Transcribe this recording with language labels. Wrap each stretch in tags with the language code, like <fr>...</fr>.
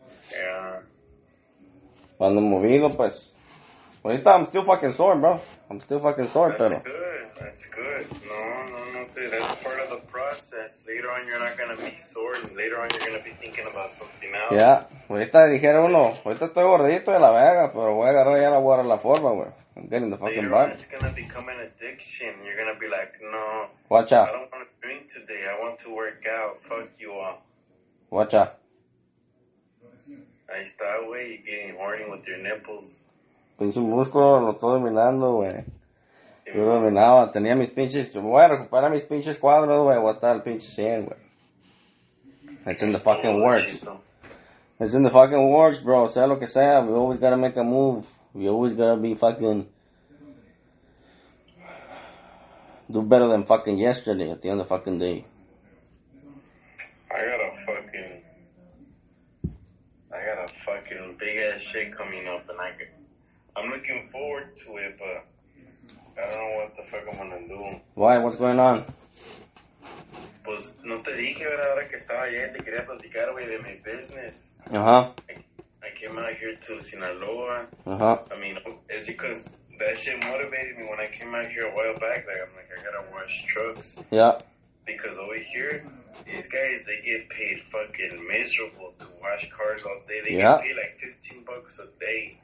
<en>Yeah.</en> <es>Cuando movido, pues. Ahorita,</es> <en>I'm still fucking sore, bro. I'm still fucking sore, pero. That's good. No, dude. That's part of the process. Later on, you're not gonna be sore. And later on, you're gonna be thinking about something else.</en> <es>Yeah. Ahorita dijeron uno. Ahorita estoy gordito de la vega, pero voy a agarrar ya la guarda la forma, güey.</es> <en>I'm getting the fucking bar. It's gonna become an addiction. You're gonna be like, no. Watch out. I don't wanna drink today. I want to work out. Fuck you all. Watch out.</en> <es>Ahí está, güey.</es> <en>You're getting horny with your nipples.</en> <es>Pinche músculo, lo estoy dominando, güey. Yo dominaba, tenía mis pinches. Voy a recuperar mis pinches cuadros, güey. Voy a estar el pinche 100, güey.</es> <en>It's in the fucking works. It's in the fucking works, bro.</en> <es>Sea lo que sea,</es> <en>we always gotta make a move. We always gotta be fucking... Do better than fucking yesterday at the end of the fucking day. I got a fucking big-ass shit coming up and I'm looking forward to it, but I don't know what the fuck I'm gonna do. Why? What's going on?</en> <es>Pues, no te dije, ¿verdad? Ahora que estaba allá, te quería platicar, güey, de mi business. Uh-huh.</es> <en>I came out here to Sinaloa. Uh-huh. I mean, it's because that shit motivated me when I came out here a while back. Like, I'm like, I gotta wash trucks. Yeah. Because over here, these guys, they get paid fucking miserable to wash cars all day. They get paid like $15 a day.</en>